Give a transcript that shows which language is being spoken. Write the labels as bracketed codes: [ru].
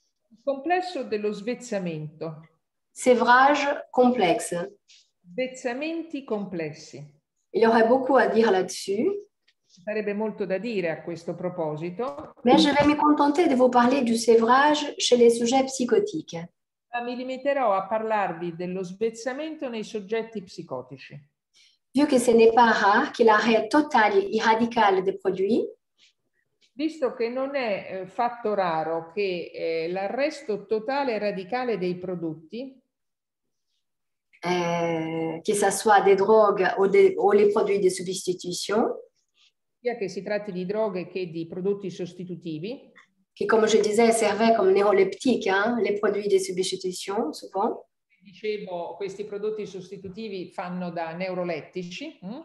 [it] Il complesso dello svezzamento. [fr] Sevrage complexe. [it] Svezzamenti complessi. [fr] Il y aurait beaucoup à dire là-dessus. [it] Sarebbe molto da dire a questo proposito. [fr] Mais je vais me contenter de vous parler du sevrage chez les sujets psychotiques. [it] Ma mi limiterò a parlarvi dello svezzamento nei soggetti psicotici. [fr] Vu que ce n'est pas rare que l'arrêt total et radical des produits. [it] Visto che non è fatto raro che l'arresto totale e radicale dei prodotti. Che [fr] ça soit des drogues ou les produits de substitution. [it] Sia che si tratti di droghe che di prodotti sostitutivi. Che, come [fr] je disais, servait comme neuroleptique, hein, les produits de substitution, souvent. [it] Dicevo, questi prodotti sostitutivi fanno da neurolettici.